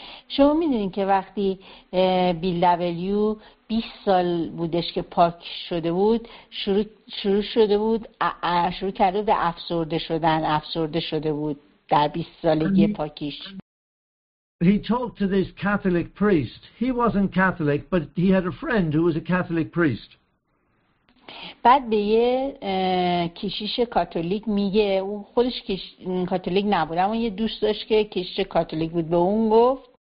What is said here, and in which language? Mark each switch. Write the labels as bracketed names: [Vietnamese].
[Persian] شما می‌دونید که وقتی بیل دبلیو 20 سال بودش که پاک شده بود، شروع کرده بود افسرده شده بود. [English] He talked to this Catholic priest. He wasn't Catholic, but he had a friend who was a Catholic priest. [Persian] بعد به یه کشیش کاتولیک میگه، او خودش کاتولیک نبود، اما یه دوست داشت که کشیش کاتولیک بود، به اون گفت.